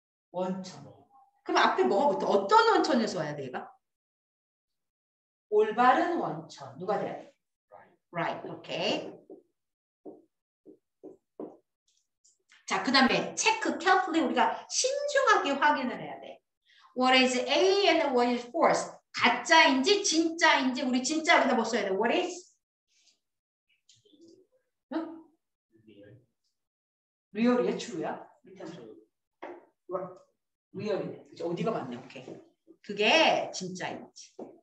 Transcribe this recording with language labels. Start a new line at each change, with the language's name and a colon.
Korean: 원천. 그럼 앞에 뭐가 붙어? 어떤 원천에서 와야 돼가? 올바른 원천. 누가 돼야 돼? Right. 오케이. 자, 그 다음에 체크 carefully 우리가 신중하게 확인을 해야 돼.
English: What is A and what is false?
Korean: 가짜인지 진짜인지 우리 진짜 여기다 뭐 써야 돼?
English: What is?
Korean: 리얼이야? 추루야? 리얼이네. 어디가 맞네. 오케이. 그게 진짜인지.